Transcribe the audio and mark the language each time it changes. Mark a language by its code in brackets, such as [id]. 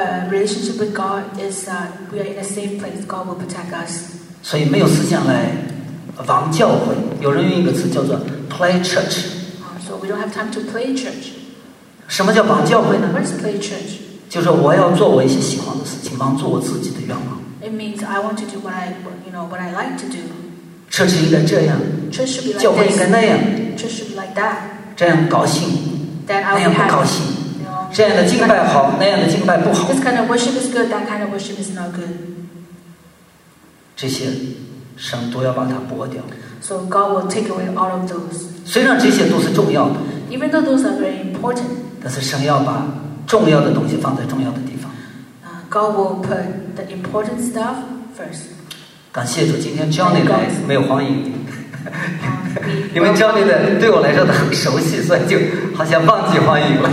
[en] Relationship with God is we are in the same place. God will protect us. [zh] 所以没有时间来玩教会。有人用一个词叫做 play church. [en] So we don't have time to play church. [zh] 什么叫玩教会呢？ [en] What is play church? [zh] 就是我要做我一些喜欢的事情，忙做我自己的愿望。 [en] It means I want to do what I, you know, what I like to do. [zh] Church 应该这样。 [en] Church should be like [zh] 教会应该那样。 [en] Church should be like that. [zh] 这样高兴， [en] then [zh] 那样不高兴。这样的敬拜好，那样的敬拜不好。 [en] This kind of worship is good, that kind of worship is not good. [zh] 这些神都要把它剥掉。 [en] So God will take away all of those. [zh] 虽然这些都是重要的。 [en] Even though those are very important. [zh] 但是神要把重要的东西放在重要的地方。 [en] God will put the important stuff first. [zh] 感谢主，今天 Johnny 来没有欢迎。因为 Johnny 的对我来说都很熟悉，所以就好像忘记欢迎了。